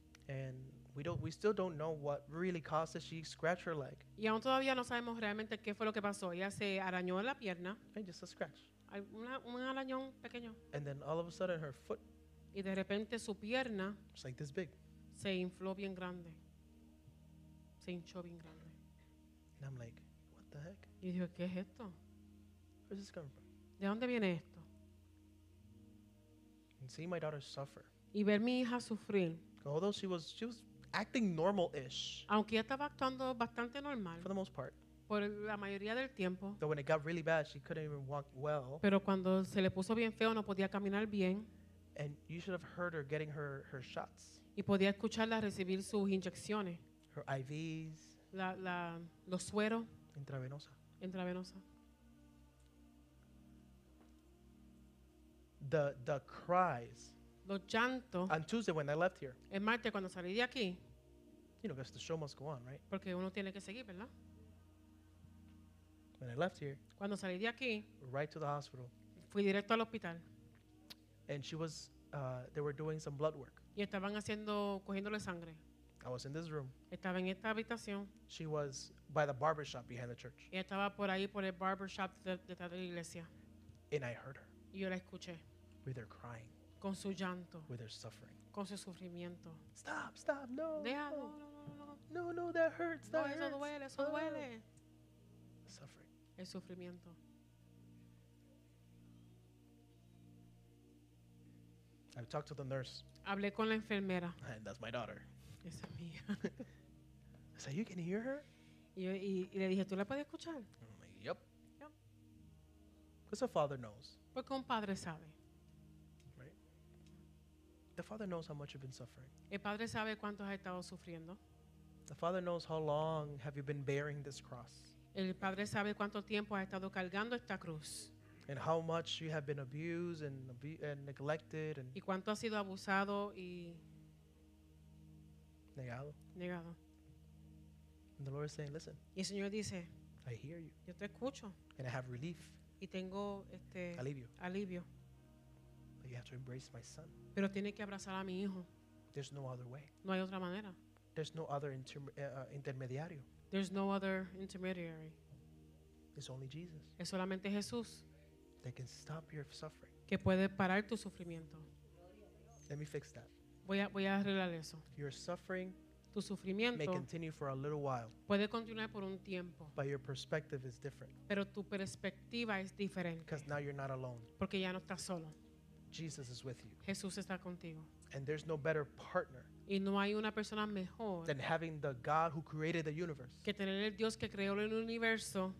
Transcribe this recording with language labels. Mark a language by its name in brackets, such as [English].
[English] And we still don't know what really caused it. She scratched her leg. [Spanish] Y aún todavía no sabemos realmente qué fue lo que pasó. Ella se arañó la pierna. [English] And just a scratch. [Spanish] Un arañón pequeño. [English] And then all of a sudden her foot. [Spanish] Y de repente su pierna. [English] It's like this big. [Spanish] Se infló bien grande. Se hinchó bien grande. [English] And I'm like, what the heck? [Spanish] Y dije, ¿qué es esto? [English] Where's this coming from? [Spanish] ¿De dónde viene esto? [English] And seeing my daughter suffer. [Spanish] Y ver mi hija sufrir. [English] Although she was acting normal-ish. [Spanish] Aunque ella estaba actuando bastante normal. [English] For the most part. [Spanish] Por la mayoría del tiempo. [English] Though when it got really bad, she couldn't even walk well. [Spanish] Pero cuando se le puso bien feo, no podía caminar bien. [English] And you should have heard her getting her shots. [Spanish] Y podía escucharla recibir sus inyecciones. [English] Her IVs. [Spanish] Los sueros. Intravenosa. Intravenosa. [English] The cries. [Spanish] Los llantos. [English] On Tuesday when I left here. [Spanish] El martes cuando salí de aquí. [English] You know, because the show must go on, right? [Spanish] Porque uno tiene que seguir, ¿verdad? [English] When I left here. [Spanish] Cuando salí de aquí. [English] Right to the hospital. [Spanish] Fui directo al hospital. [English] And she was, they were doing some blood work. [Spanish] Y estaban haciendo, cogiéndole sangre. [English] I was in this room. [Spanish] Estaba en esta habitación. [English] She was by the barbershop behind the church. [Spanish] Y estaba por ahí por el barbershop de la iglesia. [English] And I heard her. [Spanish] Y yo la escuché. [English] With her crying. [Spanish] Con su llanto. [English] With her suffering. [Spanish] Con su sufrimiento. [English] Stop, stop, no. [Spanish] Déjalo. [English] No, that hurts, that [Spanish] no, eso [English] hurts. [Spanish] Duele, eso oh. Duele. [English] Suffering. [Spanish] El sufrimiento. [English] I talked to the nurse. [Spanish] Hablé con la enfermera. [English] And that's my daughter. [Spanish] Esa es mía. [English] I said, you can hear her? [Spanish] Y le dije, ¿tú la puedes escuchar? [English] I'm like, yep. Because a father knows. [Spanish] Porque un padre sabe. [English] The father knows how much you've been suffering. [Spanish] El padre sabe cuánto has estado sufriendo. [English] The father knows how long have you been bearing this cross. [Spanish] El padre sabe cuánto tiempo has estado cargando esta cruz. [English] And how much you have been abused and neglected and [Spanish] y cuánto has sido abusado y [English] negado. And the Lord is saying, listen. [Spanish] Y el Señor dice, [English] I hear you. [Spanish] Yo te escucho. [English] And I have relief. [Spanish] Y tengo [English] alivio. But you have to embrace my son. [Spanish] Pero tiene que abrazar a mi hijo. [English] There's no other way. [Spanish] No hay otra manera. [English] There's no other intermediario. There's no other intermediary. It's only Jesus. [Spanish] Es solamente Jesús. [English] That can stop your suffering. [Spanish] Que puede parar tu sufrimiento. [English] Let me fix that. [Spanish] Voy a arreglar eso. [English] Your suffering. [Spanish] Tu sufrimiento. [English] May continue for a little while. [Spanish] Puede continuar por un tiempo. [English] But your perspective is different. [Spanish] Pero tu perspectiva es diferente. [English] Because now you're not alone. [Spanish] Porque ya no estás solo. [English] Jesus is with you. [Spanish] Jesús está contigo. [English] And there's no better partner. [Spanish] Y no hay una persona mejor. [English] Than having the God who created the universe. [Spanish] Que tener el Dios que creó el universo.